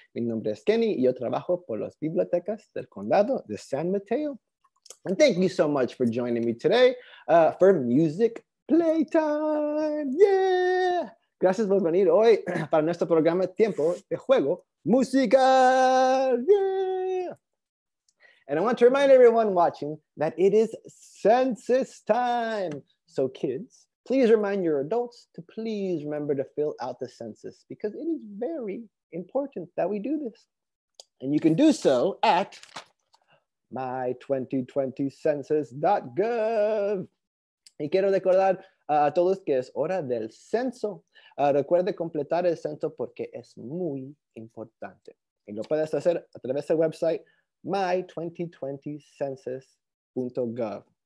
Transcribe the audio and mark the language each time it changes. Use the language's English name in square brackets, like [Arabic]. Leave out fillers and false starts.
[Spanish] Mi nombre es Kenny, y yo trabajo por las bibliotecas del condado de San Mateo. [English] And thank you so much for joining me today for Music Playtime. Yeah! [Spanish] Gracias por venir hoy para nuestro programa Tiempo de Juego Musical. [English] Yeah! And I want to remind everyone watching that it is census time. So kids, please remind your adults to please remember to fill out the census because it is very important that we do this. And you can do so at my2020census.gov. [Spanish] Y quiero recordar a todos que es hora del censo. Recuerde completar el censo porque es muy importante. Y lo puedes hacer a través del website my2020census.gov.